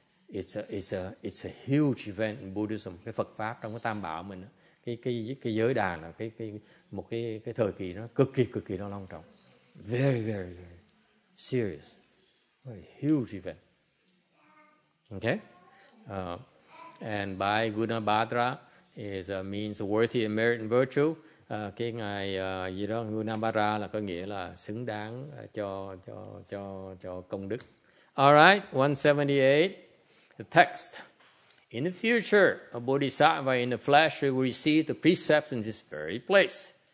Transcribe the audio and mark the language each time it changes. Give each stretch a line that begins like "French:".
English: It's a huge event in Buddhism.
Vietnamese: Cái Phật Pháp trong cái Tam Bảo mình đó. Cái giới đàn là cái thời kỳ nó cực kỳ nó long trọng,
English: very very, very serious, very huge event. Okay? And by Guna Bhadra is means worthy of merit and virtue.
Vietnamese: Cái ngài gì đó Guna Bhadra là có nghĩa là xứng đáng cho công đức.
English: All right, 178. The text. In the future, a bodhisattva in the flesh will receive the precepts in this very place.